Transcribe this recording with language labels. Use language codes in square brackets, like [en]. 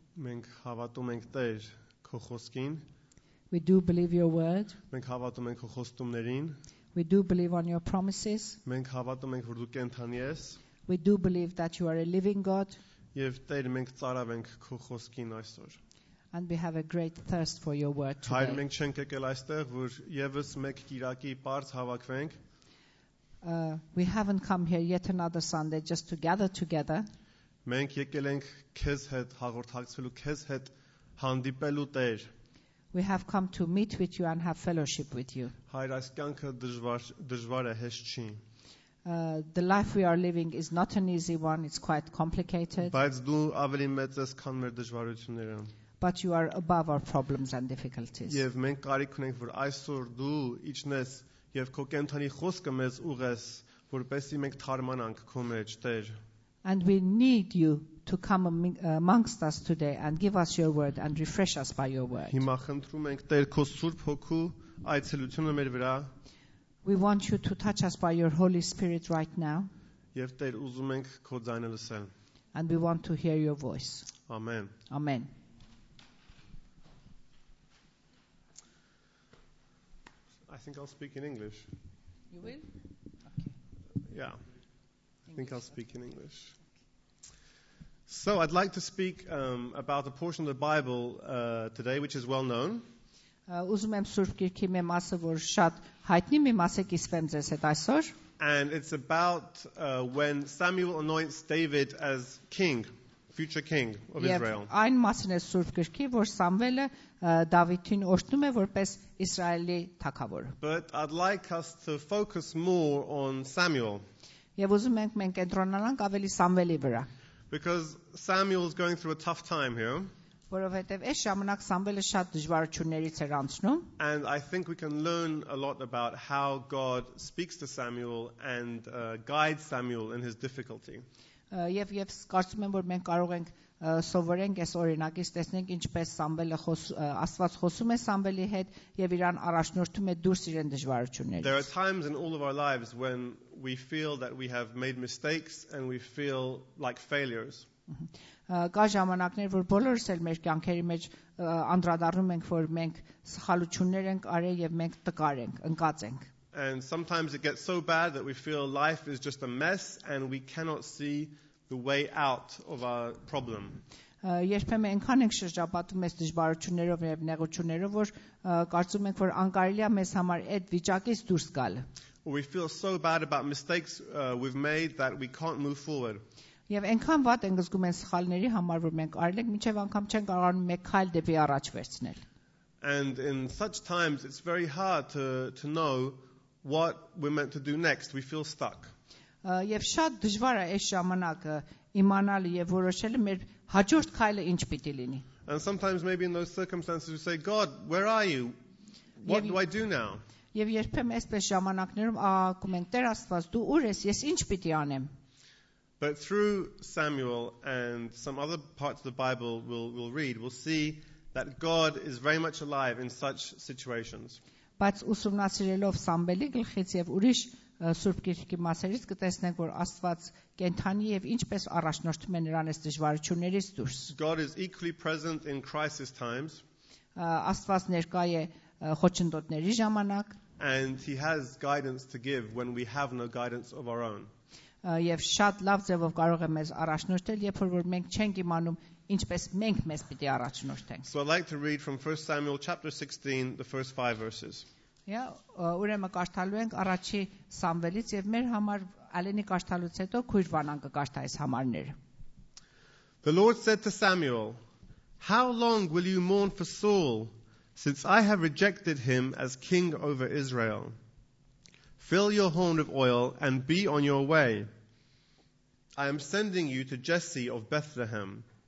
[hy] մենք հավատում ենք Տեր քո խոսքին. [en] We do believe your word. [hy] Մենք հավատում ենք քո խոստումներին. [en] We do believe on your promises. [hy] Մենք հավատում ենք, որ դու կենդանի ես. [en] We do believe that you are a living God. [hy] Եվ Տեր, մենք ծարավ ենք քո խոսքին այսօր. [en] And we have a great thirst for your word today. [hy] Հայր, մենք չենք եկել այստեղ, որ եւս մեկ կիրակի պարզ հավաքվենք. [en] We haven't come here yet another Sunday just to gather together. [hy] Մենք եկել ենք քեզ հետ հաղորդակցվելու, քեզ հետ հանդիպելու Տեր. [en] We have come to meet with you and have fellowship with you. [hy] Հայր, այս կյանքը դժվար է, հեշտ չի. [en] The life we are living is not an easy one, it's quite complicated. [hy] Բայց դու ավելի մեծ ես, քան մեր դժվարությունները. [en] But you are above our problems and difficulties. [hy] Եվ մենք կարիք ունենք, որ այսօր դու իջնես եւ քո կենդանի խոսքը մեզ ուղես, որպեսզի մենք թարմանանք քո մեջ, Տեր. [en] And we need you to come amongst us today and give us your word and refresh us by your word. [hy] Հիմա խնդրում ենք Տեր քո Սուրբ Հոգու այցելությունը մեր վրա. [en] We want you to touch us by your Holy Spirit right now. [hy] Եվ Տեր, ուզում ենք քո ձայնը լսել. [en] And we want to hear your voice. Amen. Amen. I think I'll speak in English. You will? Okay. Yeah. English, I think I'll speak in English. So I'd like to speak about a portion of the Bible today, which is well known. And it's about when Samuel anoints David as king, future king of Israel. [hy] Եվ այն մասին է Սուրբ գրքի, որ Սամվելը Դավիթին օրհնում է որպես Իսրայելի թագավոր. [en] But I'd like us to focus more on Samuel. [hy] Եվ ուզում ենք մենք կենտրոնանանք ավելի Սամվելի վրա. [en] Because Samuel is going through a tough time here. [hy] Որովհետև այս ժամանակ Սամվելը շատ դժվարություններից էր անցնում. [en] And I think we can learn a lot about how God speaks to Samuel and guides Samuel in his difficulty. [hy] Եվ կարծում եմ, որ մենք կարող ենք սովորենք այս օրինակից, տեսնենք ինչպես Սամվելը Աստված խոսում է Սամվելի հետ եւ իրան առաջնորդում է դուրս իրեն դժվարություններից։ [en] There are times in all of our lives when we feel that we have made mistakes and we feel like failures. [hy] Կա ժամանակներ, որ բոլորս էլ մեր կյանքերի մեջ անդրադառնում ենք, որ մենք սխալություններ ենք արել եւ մենք տկար ենք, ընկած ենք։ [en] And sometimes it gets so bad that we feel life is just a mess and we cannot see the way out of our problem. [hy] Երբեմն այնքան ենք շրջապատում այս դժվարություններով եւ նեղություններով, որ կարծում ենք, որ անկարելի է մեզ համար այդ վիճակից դուրս գալ. [en] We feel so bad about mistakes we've made that we can't move forward. [hy] Եվ այնքան վատ ենք զգում այս սխալների համար, որ մենք արել ենք, միչեվ անգամ չեն կարողանում մեկ քայլ դեպի առաջ վերցնել. [en] And in such times it's very hard to know what we're meant to do next. We feel stuck. [hy] Եվ շատ դժվար է այս ժամանակը իմանալ եւ որոշել մեր հաջորդ քայլը ինչ պիտի լինի. [en] And sometimes maybe in those circumstances we say, God, where are you? What do I do now? [hy] Եվ երբեմն այսպես ժամանակներում ասում ենք, Տեր Աստված, դու ո՞ր ես, ես ինչ պիտի անեմ? [en] But through Samuel and some other parts of the Bible we'll read, we'll see that God is very much alive in such situations. [hy] Բայց ուսումնասիրելով Սամբելի գլխից եւ ուրիշ Սուրբ գիրքի մասերից կտեսնենք, որ Աստված կենթանի եւ ինչպես առաջնորդում է նրան այս դժվարություններից դուրս։ [en] God is equally present in crisis times. [hy] Աստված ներկա է խոչընդոտների ժամանակ։ [en] And he has guidance to give when we have no guidance of our own. [hy] Եվ շատ լավ ձևով կարող է մեզ առաջնորդել, երբ որ մենք չենք իմանում ինչպես մենք մեզ պիտի առաջնորդենք։ [en] So I'd like to read from 1 Samuel chapter 16 the first 5 verses. [hy] Yeah, ուրեմն կարդալու ենք առաջի Սամվելից եւ մեր համար Ալենի կարդալուց հետո քույր Վանան կկարդա այս համարները։ [en] The Lord said to Samuel, "How long will you mourn for Saul, since I have rejected him as king over Israel? Fill your horn with oil and be on your way. I am sending you to Jesse of Bethlehem.